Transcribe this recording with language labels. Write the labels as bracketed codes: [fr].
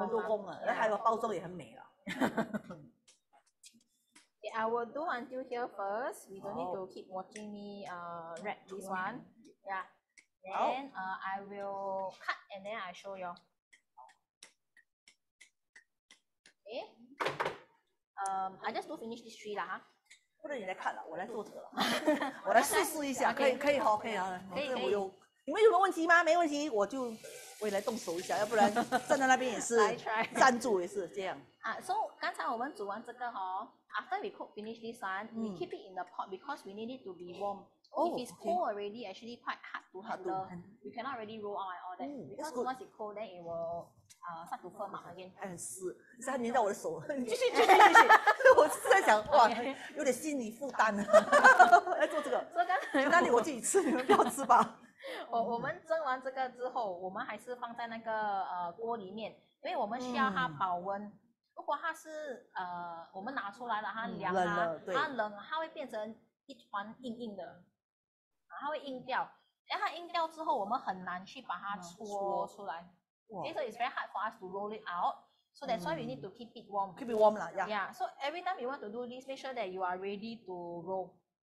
[zh] 很多工了，那还有包装也很美了。 [en] Yeah, I will do until here first. We don't need to keep watching me wrap this one. Yeah. Then I will cut and then I show you. Okay. I just do finish this tree 啦哈。 [zh] 不能你来cut了，我来做这个了。我来试试一下，可以。我有，你们有什么问题吗？没问题，我也来动手一下，要不然站在那边也是站住也是这样。 [en] So [zh] 刚才我们煮完这个哈 [en] ，after we cook finish this one, we keep it in the pot because we need it to be warm. If it's cold already, actually quite hard to handle. You cannot really roll out and all that. Because once it's cold, then it will start to firm up again. [zh] 很湿，它粘到我的手。继续。我是在想，哇，有点心理负担呢。来做这个。说刚才，那你我自己吃，你们不要吃吧。我们蒸完这个之后，我们还是放在那个锅里面，因为我们需要它保温。如果它是我们拿出来了，它凉啊，它冷，它会变成一团硬硬的。它会硬掉，然后它硬掉之后，我们很难去把它搓出来。 [en] Okay, so it's very hard for us to roll it out. So that's why we need to keep it warm. Keep it warm lah, yeah. Yeah. So every time you want to do this, make sure that you are ready to roll.